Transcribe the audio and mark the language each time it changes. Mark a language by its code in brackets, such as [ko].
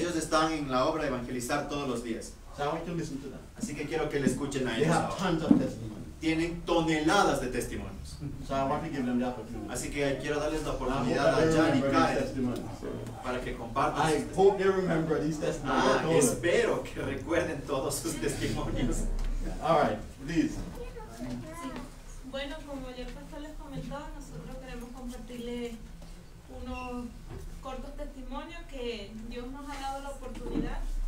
[es] Ellos están en la obra de evangelizar todos los días. [en] So I want you to listen to them. [es] Así que quiero que le escuchen a [en] they [es] ellos. [en] They have tons of testimonies. [es] Tienen toneladas de testimonios. [en] So I want to give them the opportunity. [es] Así que quiero darles la oportunidad a Jan y Kyle para que compartan sus testimonios. [en] I hope they remember these testimonies. [es] Espero que recuerden todos sus testimonios. [en] All right, please. [es] Sí. Bueno, como ayer pastor les comentó, nosotros queremos compartirles unos cortos testimonios que Dios nos ha dado la oportunidad.